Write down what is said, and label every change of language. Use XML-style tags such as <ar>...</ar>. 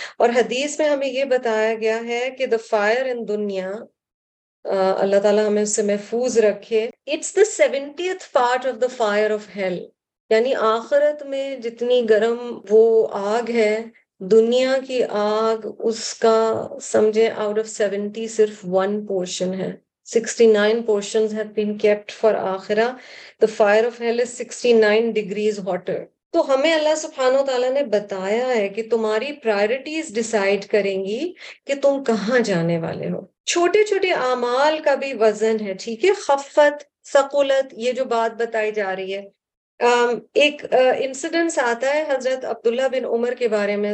<ur>اور حدیث میں ہمیں یہ بتایا گیا ہے کہ</ur> <en>the fire in</en> <ur>دنیا, اللہ تعالیٰ ہمیں اس سے محفوظ رکھے,</ur> <en>It's the 70th part of the fire of hell.</en> <ur>یعنی آخرت میں جتنی گرم وہ آگ ہے, دنیا کی آگ اس کا سمجھیں</ur> <en>out of 70</en> <ur>صرف 1 پورشن ہے.</ur> <en>69 portions have been kept for آخرہ. The fire of hell is 69 degrees hotter.</en> <ur>تو ہمیں اللہ سبحانہ وتعالی نے بتایا ہے کہ تمہاری پرائیورٹیز ڈیسائیڈ کریں گی کہ تم کہاں جانے والے ہو. چھوٹے چھوٹے اعمال کا بھی وزن ہے, ٹھیک ہے. خفت, ثقلت, یہ جو بات بتائی جا رہی ہے. ایک انسیڈنس آتا ہے حضرت عبداللہ بن عمر کے بارے میں.</ur>